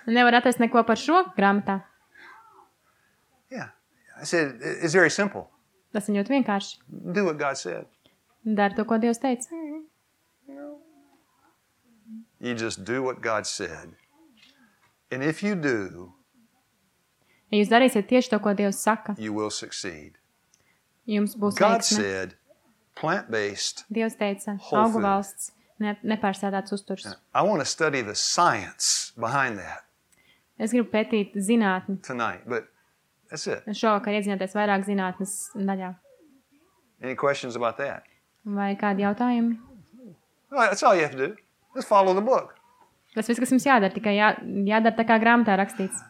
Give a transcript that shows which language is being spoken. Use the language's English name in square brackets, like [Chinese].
[Latvian] Nevaru atrast neko par šo grāmatā. [English] Yeah. I said, it's very simple. [Latvian] Tas ir ļoti vienkārši. [English] Do what God said. [Latvian] Dari to, ko Dievs teica. [English] You just do what God said. And if you do, [Latvian] Ja jūs darīsiet tieši to, ko Dievs saka, [English] you will succeed. [Latvian] Jums būs [English] God [Latvian] veiksme. [English] Said, plant-based, [Latvian] Dievs teica, augu valsts, nepārsēdāts uzturs. [English] I want to study the science behind that. [Latvian] Es gribu pētīt zinātni. [English] Tonight, but that's it. [Latvian] Šovakar iedzināties vairāk zinātnes daļā. [English] Any questions about that? [Latvian] Vai kādi jautājumi? [English] Well, that's all you have to do. Just follow the book. [Latvian] Tas viss, kas jums jādara, tikai jādara tā kā grāmatā rakstīts.